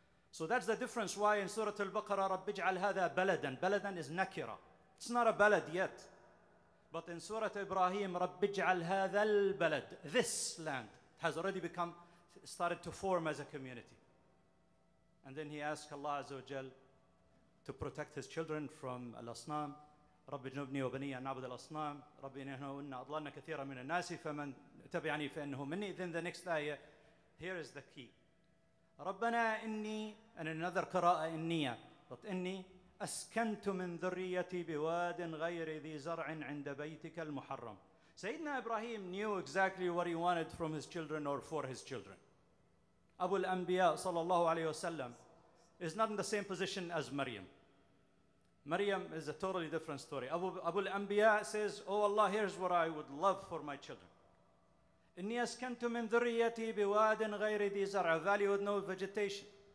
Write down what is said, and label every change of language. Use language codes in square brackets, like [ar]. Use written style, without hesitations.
[en] So that's the difference why in Surah Al-Baqarah, [ar] رَبِّ جَعَلْ هَذَا بَلَدًا. [en] بَلَدًا is nakira. It's not a balad yet. But in Surah Ibrahim, [ar] رب اجعل هذا البلد, [en] this land, has already become, started to form as a community. And then he asked Allah Azza wa Jal to protect his children from al-Asnam. [ar] رب اجنبني وبني أن نعبد الأصنام. رب إننا أضللنا كثيرا من الناس فمن تبعني فإنه مني. [en] Then the next ayah, here is the key. [ar] ربنا إني, [en] and in another [ar] قراءة إني, but إني أسكنت من ذريتي بواد غير ذي زرع عند بيتك المحرم. [en] سيدنا إبراهيم knew exactly what he wanted from his children or for his children. أبو الأنبياء [ar] صلى الله عليه وسلم [en] is not in the same position as Maryam. Maryam is a totally different story. Abu al-Anbiya says, oh Allah, here's what I would love for my children. [ar] إِنِّي أَسْكَنْتُ مِنْ ذُرِّيَّتِي بِوَادٍ غَيْرِ ذِي زَرْعٍ, [en] a valley with no vegetation.